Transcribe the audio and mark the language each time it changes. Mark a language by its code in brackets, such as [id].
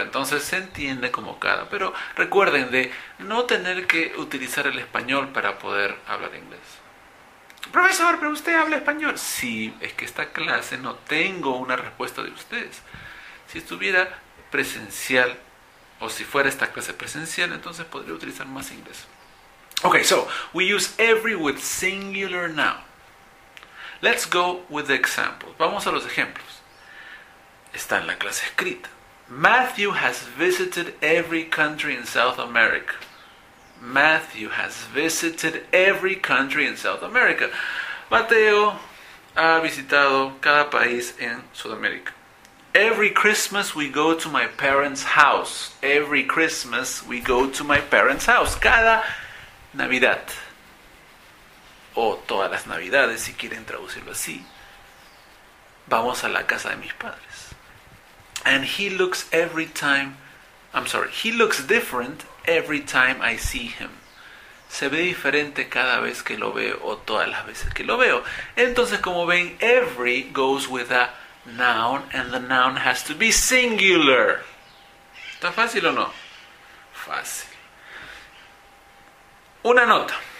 [es] Entonces se entiende como cada. Pero recuerden de no tener que utilizar el español para poder hablar inglés. Profesor, pero usted habla español. Sí, es que esta clase no tengo una respuesta de ustedes. Si estuviera presencial, o si fuera esta clase presencial, entonces podría utilizar más inglés. [en] Ok, so, we use every with singular noun. Let's go with the examples. [es] Vamos a los ejemplos. Está en la clase escrita. [en] Matthew has visited every country in South America. Matthew has visited every country in South America. [es] Mateo ha visitado cada país en Sudamérica. [en] Every Christmas we go to my parents' house. Every Christmas we go to my parents' house. [es] Cada Navidad, o todas las Navidades, si quieren traducirlo así, vamos a la casa de mis padres. [en] And he looks every time, I'm sorry, he looks different every time I see him. [es] Se ve diferente cada vez que lo veo, o todas las veces que lo veo. Entonces, como ven, [en] every goes with a noun, and the noun has to be singular. [es] ¿Está fácil o no? Fácil. Una nota.